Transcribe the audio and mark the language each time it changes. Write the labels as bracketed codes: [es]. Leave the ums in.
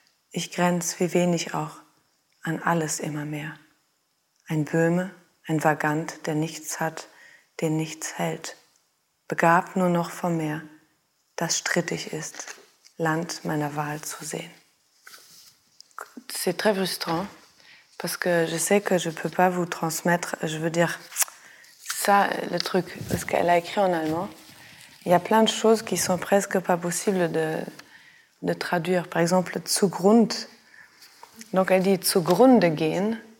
[de] Ich grenz, wie wenig auch, an alles immer mehr. Ein Böhme, ein Vagant, der nichts hat, den nichts hält, begabt nur noch vom Meer, das strittig ist, Land meiner Wahl zu sehen. [fr] C'est très frustrant. parce que je sais que je ne peux pas vous transmettre, je veux dire, ça, le truc, parce qu'elle a écrit en allemand. Il y a plein de choses qui sont presque pas possibles de, de traduire. Par exemple, Zugrund. Donc elle dit Zugrunde gehen.